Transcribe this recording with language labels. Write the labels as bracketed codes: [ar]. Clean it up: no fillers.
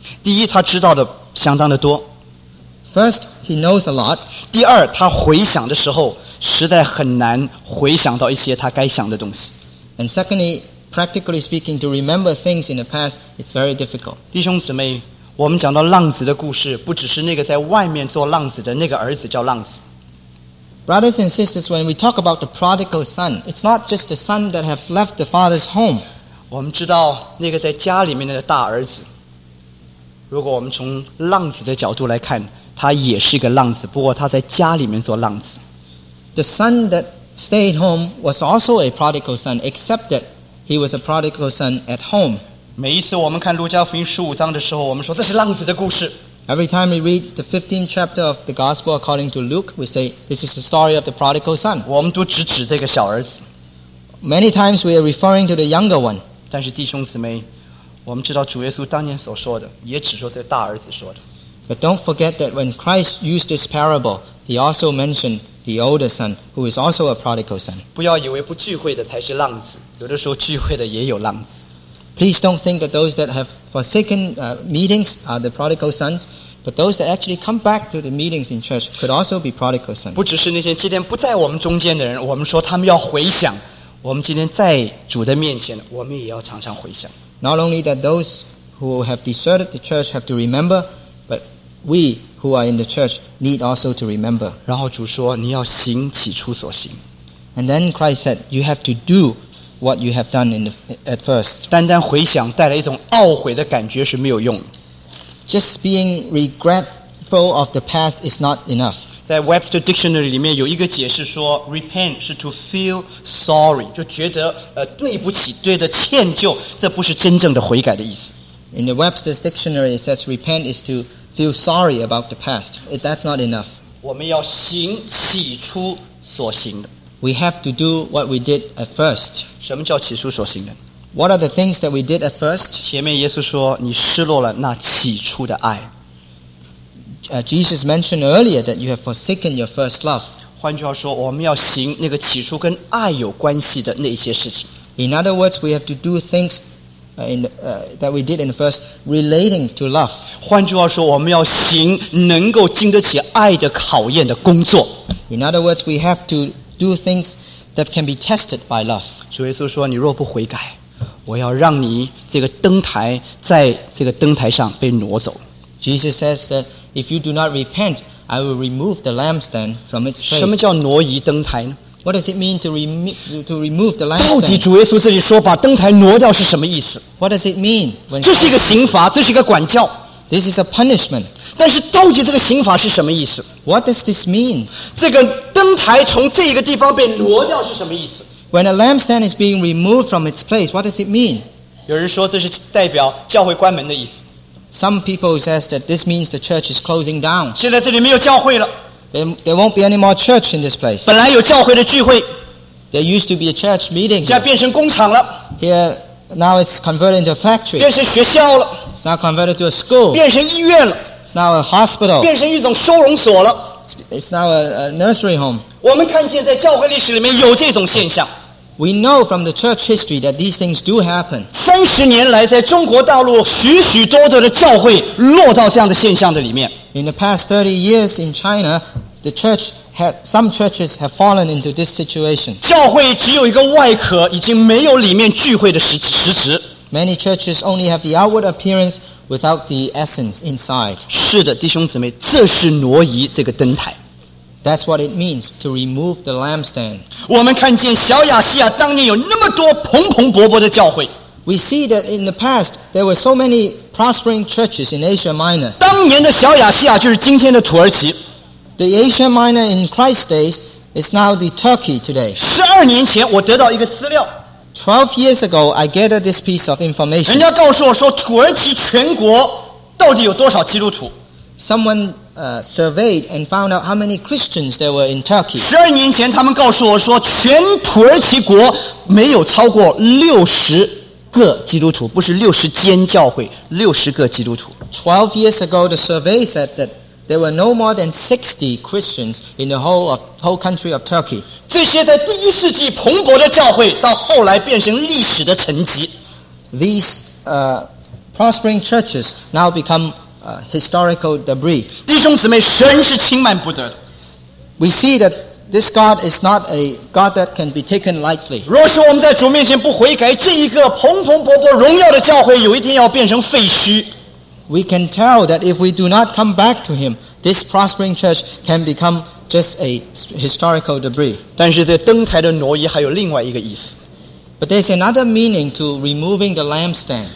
[zh] 第一，他知道的相当的多。 [en] First, he knows a lot. [zh] 第二，他回想的时候实在很难回想到一些他该想的东西。 [en] And secondly, practically speaking, to remember things in the past, it's very difficult. [zh] 弟兄姊妹，我们讲到浪子的故事，不只是那个在外面做浪子的那个儿子叫浪子。 [en] Brothers and sisters, when we talk about the prodigal son, it's not just the son that have left the father's home. [zh] 我们知道那个在家里面的大儿子，如果我们从浪子的角度来看，他也是一个浪子，不过他在家里面做浪子。 [en] The son that stayed home was also a prodigal son, except that he was a prodigal son at home. [zh] 每一次我们看路加福音十五章的时候，我们说这是浪子的故事。 [en] Every time we read the 15th chapter of the Gospel according to Luke, we say, this is the story of the prodigal son. [zh] 我们都只指这个小儿子。 [en] Many times we are referring to the younger one. [zh] 但是弟兄姊妹，我们知道主耶稣当年所说的，也只说这大儿子说的。 [en] But don't forget that when Christ used this parable, he also mentioned the older son, who is also a prodigal son. [zh] 不要以为不聚会的才是浪子，有的时候聚会的也有浪子。 [en] Please don't think that those that have forsaken meetings are the prodigal sons, but those that actually come back to the meetings in church could also be prodigal sons. [zh] 不只是那些今天不在我们中间的人，我们说他们要回想，我们今天在主的面前，我们也要常常回想。 [en] Not only that those who have deserted the church have to remember, but we who are in the church need also to remember. [zh] 然后主说，你要行起初所行。 [en] And then Christ said, you have to do what you have done in the, at first. [zh] 单单回想带来一种懊悔的感觉是没有用的。 [en] Just being regretful of the past is not enough. [zh] 在 Webster Dictionary 里面有一个解释说 repent 是 [en] to feel sorry, [zh] 就觉得对不起，对的歉疚，这不是真正的悔改的意思。 [en] In the Webster's Dictionary, it says repent is to feel sorry about the past. That's not enough. [zh] 我们要行起初所行的。 [en] We have to do what we did at first. [zh] 什么叫起初所行的？ [en] What are the things that we did at first? [zh] 前面耶稣说，你失落了那起初的爱。 [en] Jesus mentioned earlier that you have forsaken your first love. [zh] 换句话说，我们要行那个起初跟爱有关系的那些事情。 [en] In other words, we have to do things that we did in the first relating to love. [zh] 换句话说，我们要行能够经得起爱的考验的工作。 [en] In other words, we have to do things that can be tested by love. [zh] 主耶稣说，你若不悔改，我要让你这个灯台在这个灯台上被挪走。 [en] Jesus says that if you do not repent, I will remove the lampstand from its place. [zh] 什么叫挪移灯台呢？ [en] What does it mean to remove the lampstand? [zh] 到底主耶稣这里说把灯台挪掉是什么意思？ [en] What does it mean? [zh] 这是一个刑罚，这是一个管教。 [en] This is a punishment. [zh] 但是到底这个刑罚是什么意思？ [en] What does this mean? [zh] 这个灯台从这一个地方被挪掉是什么意思？ [en] When a lampstand is being removed from its place, what does it mean? [zh] 有人说这是代表教会关门的意思。 [en] Some people says that this means the church is closing down. [zh] 现在这里没有教会了。 [en] There won't be any more church in this place. [zh] 本来有教会的聚会。 [en] There used to be a church meeting. [zh] 现在变成工厂了。 [en] Here, now it's converted into a factory. [zh] 变成学校了。 [en] It's now converted to a school. [zh] 变成医院了。 [en] It's now a hospital. [zh] 变成一种收容所了。 [en] It's now a nursery home. [zh] 我们看见在教会历史里面有这种现象。 [en] We know from the church history that these things do happen. [zh] 30年来在中国大陆许许多多的教会落到这样的现象的里面。 [en] In the past 30 years in China, some churches have fallen into this situation. [zh] 教会只有一个外壳，已经没有里面聚会的实质。 [en] Many churches only have the outward appearance without the essence inside. [zh] 是的，弟兄姊妹，这是挪移这个灯台。 [en] That's what it means to remove the lampstand. [zh] 我们看见小亚细亚当年有那么多蓬蓬勃勃的教会。 [en] We see that in the past there were so many prospering churches in Asia Minor. [zh] 当年的小亚细亚就是今天的土耳其。 [en] The Asia Minor in Christ's days is now the Turkey today. [zh] 12年前我得到一个资料。 [en] 12 years ago, I gathered this piece of information. [zh] 人家告诉我说，土耳其全国到底有多少基督徒？ [en] Someone surveyed and found out how many Christians there were in Turkey. [zh] 12年前他们告诉我说，全土耳其国没有超过60个基督徒，不是60间教会，60个基督徒。 [en] 12 years ago, the survey said that There were no more than 60 Christians in the whole country of Turkey. [zh] 这些在第一世纪蓬勃的教会到后来变成历史的沉寂。 [en] These prospering churches now become historical debris. [zh] 弟兄姊妹，神是轻慢不得的。 [en] We see that this God is not a God that can be taken lightly. [zh] 若是我们在主面前不悔改，这一个蓬勃勃勃荣耀的教会有一天要变成废墟。 [en] We can tell that if we do not come back to Him, this prospering church can become just a historical debris. [zh] 但是这灯台的挪移还有另外一个意思。 [en] But there's another meaning to removing the lampstand.